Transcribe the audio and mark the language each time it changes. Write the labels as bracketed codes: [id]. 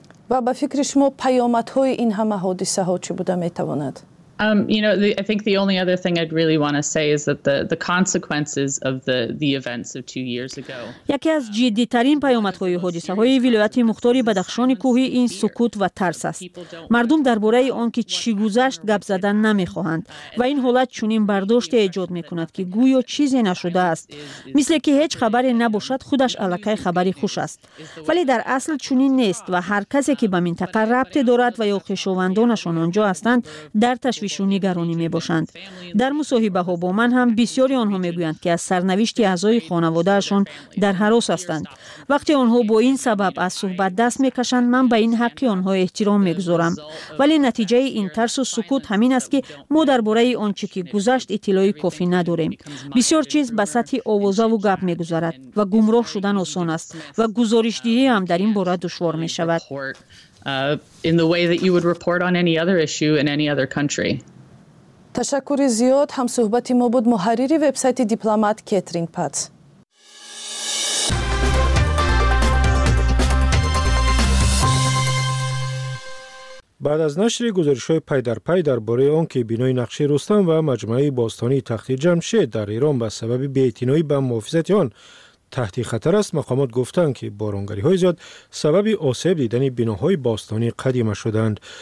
[fa] و به فکر شما پیامدهای این همه حادثه ها چی بوده می تواند؟ [en] I think the only other thing I'd really want to say is that the consequences of the events of 2 years ago. [fa] یکی از جدی ترین پیامدهای حادثه‌های ولایت مختار بدخشان کوهی این سکوت و ترس است. مردم درباره آن که چی گذشت گپ زدن نمی‌خواهند و این حالت چنین برداشت ایجاد می‌کند که گویا چیزی نشده است. مثل که هیچ خبری نباشد خودش الکی خبری خوش است. ولی در اصل چنین نیست و هر کسی که به منطقه ربط دارد و یا خویشاوندانشان آنجا هستند در تشویش و نگرانی می باشند. در مصاحبه ها با من هم بسیاری آنها می گویند که از سرنوشت اعضای خانواده شان در هراس هستند. وقتی آنها با این سبب از صحبت دست می کشند من به این حق آنها احترام می گذارم. ولی نتیجه این ترس و سکوت همین است که ما درباره آنچه که گذشت اطلاع کافی نداریم. بسیار چیز به سطح آوازه و گپ می گذارد و گمراه شدن آسان است و گزارش دهی هم در این باره دشوار می شود. [en] In the way that you would report on any other issue in any other country. [fa] تشکر زیاد هم صحبت ما بود محرری وبسایت دیپلمات کترین پاتس. بعد از نشر گزارش‌های پی در پی درباره آن که بنای نقشه رستم و مجمعه باستانی تخت جمشید در ایران به سبب بی‌اعتنایی به محافظت آن تحت خطر است، مقامات گفتند که بارانگری های زیاد سبب آسیب دیدن بناهای باستانی قدیمه شدند.